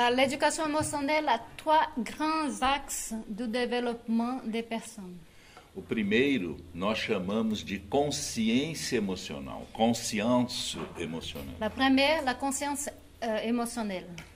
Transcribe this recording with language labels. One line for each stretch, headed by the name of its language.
French: L'éducation émotionnelle a trois grands axes de développement des personnes.
Portuguese: O primeiro nós chamamos de consciência emocional, consciência emocional.
French: La première, la conscience émotionnelle.